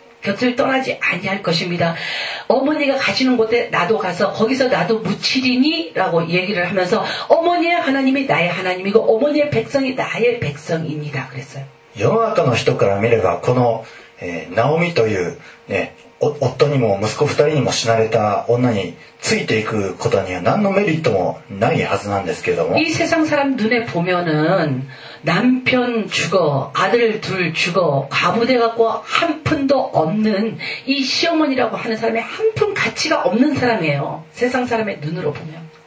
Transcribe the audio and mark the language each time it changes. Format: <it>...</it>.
<ko>곁을 떠나지 아니할 것입니다. 어머니가 가시는 곳에 나도 가서 거기서 나도 묻히리니 라고 얘기를 하면서 어머니의 하나님이 나의 하나님이고 어머니의 백성이 나의 백성입니다. 그랬어요.</ko> <ja>世の中の人から見ればこのナオミという夫にも息子二人にも死なれた女についていくことには何のメリットもないはずなんですけれども。</ja> <ko>이 세상 사람 눈에 보면은 남편 죽어, 아들 둘 죽어, 가부대 갖고 한 푼도 없는 이 시어머니라고 하는 사람이 한 푼 가치가 없는 사람이에요. 세상 사람의 눈으로 보면.</ko>